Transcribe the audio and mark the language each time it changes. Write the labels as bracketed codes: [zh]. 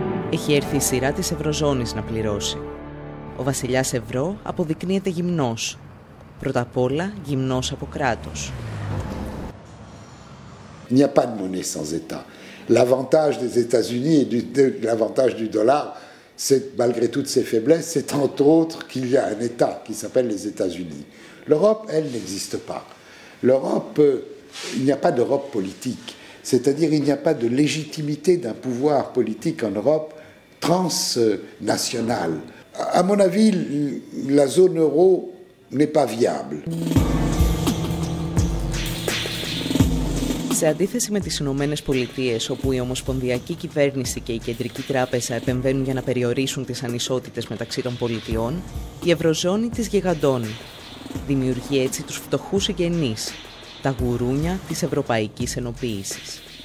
[el] Έχει έρθει η σειρά της Ευρωζώνης να πληρώσει. Ο βασιλιάς Ευρώ αποδεικνύεται γυμνός. Πρώτα απ' όλα γυμνός από κράτος. [fr] Il n'y a pas de monnaie sans état. L'avantage des États-Unis et l'avantage du dollar, c'est malgré toutes ses faiblesses, c'est entre autres qu'il y a un État qui s'appelle les États-Unis. L'Europe, elle, n'existe pas. L'Europe, il n'y a pas d'Europe politique. C'est-à-dire il n'y a pas de légitimité d'un pouvoir politique en Europe transnational. À mon avis, la zone euro n'est pas viable. [el] Σε αντίθεση με τις Ηνωμένες Πολιτείες, όπου η Ομοσπονδιακή Κυβέρνηση και η Κεντρική Τράπεζα επεμβαίνουν για να περιορίσουν τις ανισότητες μεταξύ των πολιτιών, η Ευρωζώνη τις γιγαντώνει. Δημιουργεί έτσι τους φτωχούς συγγενείς, τα γουρούνια της ευρωπαϊκής ενοποίησης.